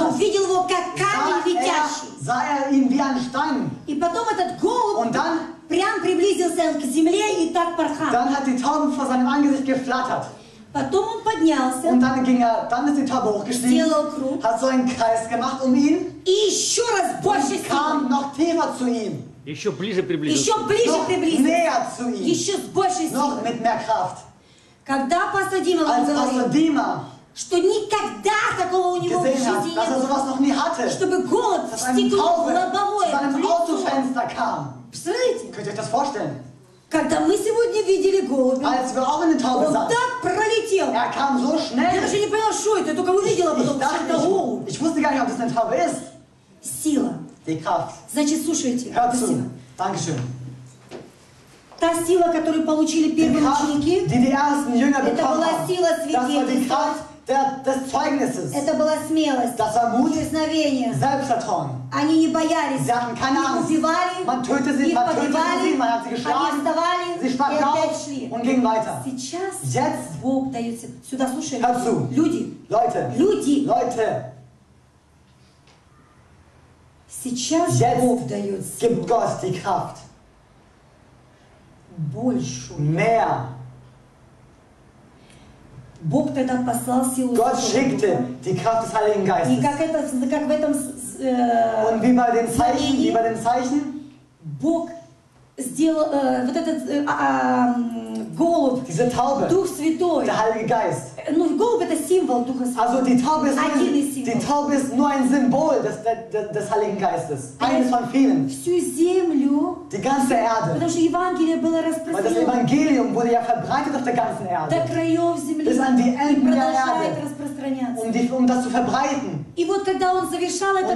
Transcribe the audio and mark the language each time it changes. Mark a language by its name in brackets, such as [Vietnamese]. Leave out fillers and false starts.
[Russian] он видел его как камень летящий. [German] Sah er ihn wie ein Stein. [Russian] И потом этот голубь [German] und dann, [Russian] прям приблизился к земле и так порхал. [German] Dann hat die Taube vor seinem Angesicht geflattert. [Russian] Потом он поднялся. [German] Und dann ging dann ist die Taube hochgestiegen. Hat so einen Kreis gemacht um ihn. [Russian] И еще раз больше силы. [German] Kam noch tiefer zu ihm. [Russian] Еще ближе приблизился. Еще ближе приблизился. [German] Näher zu ihm. [Russian] Еще с большей силой. [German] Noch mit mehr Kraft. [Russian] Когда пастор Дима говорил, что никогда такого у него в жизни не было, чтобы голод стекло в лобовое лицо. Представляете? [German] Könnt ihr euch das vorstellen? [Russian] Когда мы сегодня видели голубя, он так пролетел. [German] Er kam so schnell. [Russian] Я даже не понял, что это, только увидела потом, что это голубь. [German] Ich wusste gar nicht, ob das ein Taube ist. [Russian] Сила. [German] Die Kraft. [Russian] Значит, слушайте. [German] Hört zu. Dankeschön. [Russian] Та сила, которую получили первые ученики, это была сила свидетельства. Это была смелость. [German] Das war Mut. [Russian] Дерзновение. [German] Selbstvertrauen. [Russian] Они не боялись. [German] Sie hatten keine Angst. Sie [Russian] убивали, [German] man tötete sie, man tötete sie, man hat sie geschlagen. [Russian] Они вставали, [German] sie sprang auf und ging weiter. [Russian] Сейчас [German] jetzt [Russian] Бог дает сюда, слушай, [German] hör zu. [Russian] Люди. [German] Leute. [Russian] Люди. [German] Leute. [Russian] Сейчас [German] jetzt [Russian] Бог дает силу. [German] Gibt Gott die Kraft. [Russian] Большую. [German] Mehr. [Russian] Бог тогда послал силу. [German] Gott schickte die Kraft des Heiligen Geistes. [Russian] И как это, как в этом [German] Und wie bei den Zeichen, [Russian] Бог сделал вот этот голубь, [German] diese Taube, [Russian] Дух Святой, [German] der Heilige Geist. [Russian] Ну, голубь — это символ Духа Святого. [German] Also die Taube ist [Russian] один из символов. [German] Die Taube ist nur ein Symbol des Heiligen Geistes. Eines von vielen. [Russian] Всю землю, [German] die ganze Erde. [Russian] Потому что Евангелие было распространено. [German] Weil das Evangelium wurde ja verbreitet auf der ganzen Erde. [Russian] До краев земли. [German] Bis an die Enden der Erde. [Russian] И продолжает распространяться. [German] Um das zu verbreiten. [Russian] И вот когда он завершал этот